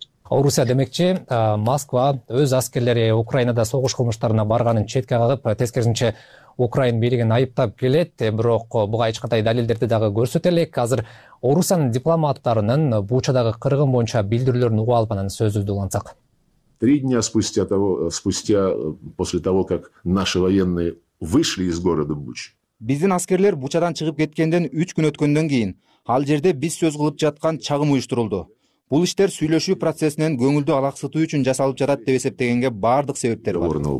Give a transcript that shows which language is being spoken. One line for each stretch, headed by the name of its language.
Kyrgyz: Орусия демекчи, Москва өз аскерлери Украинада согуш кылмыштарына барганын четке кагып, тескерисинче Украин бийлигин айыптап келет, бирок буга эч кандай далилдерди дагы көрсөтө элек. Азыр Орусиянын дипломаттарынын Бучадагы кыргын боюнча билдирүүлөрүн угуп албанын сөзүбүздү улантсак.
Russian: Три дня после того, как наши военные вышли из города Буч.
Kyrgyz: Биздин аскерлер Бучадан чыгып кеткенден 3 күн өткөндөн кийин ал жерде биз сөз кылып жаткан чагым уюштурулду. Бул иштер сүйлөшүү процессинен көңүлдү алаксытуу үчүн жасалып жатат деп эсептегенге бардык себептер бар.